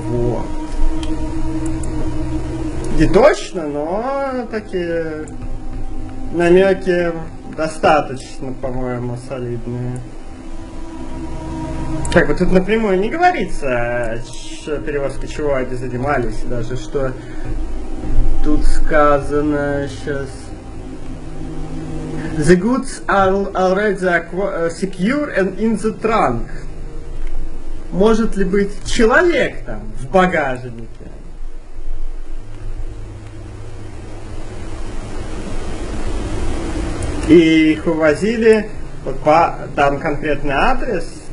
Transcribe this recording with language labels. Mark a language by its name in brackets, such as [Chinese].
[Russian] Вот. Не точно, но такие намеки достаточно, по-моему, солидные. Как бы тут напрямую не говорится, о перевозке чего они занимались, даже что тут сказано сейчас. [English] The goods are already secure and in the trunk. [Russian] Может ли быть человек там в багажнике? И их увозили вот по там конкретный адрес.